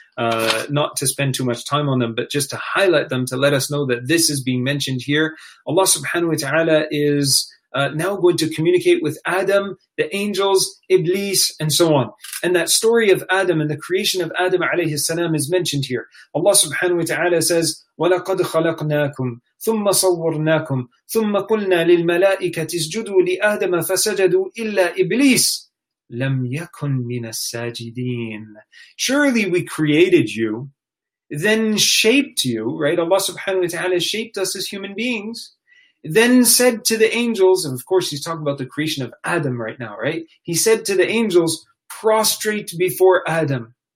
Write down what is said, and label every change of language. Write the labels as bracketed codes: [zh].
[en] Not to spend too much time on them, but just to highlight them to let us know that this is being mentioned here. Allah subhanahu wa ta'ala is now going to communicate with Adam, the angels, Iblis, and so on. And that story of Adam and the creation of Adam alayhi salam is mentioned here. [ar] Allah subhanahu wa ta'ala says, وَلَقَدْ خَلَقْنَاكُمْ ثُمَّ صَوَّرْنَاكُمْ ثُمَّ قُلْنَا لِلْمَلَائِكَةِ اسْجُدُوا لِآدَمَ فَسَجَدُوا إِلَّا إِبْلِيسَ لَمْ يَكُنْ مِنَ السَّاجِدِينَ. [en] Surely we created you, then shaped you, right? Allah subhanahu wa ta'ala shaped us as human beings. Then said to the angels, and of course he's talking about the creation of Adam right now, right? He said to the angels, prostrate before Adam.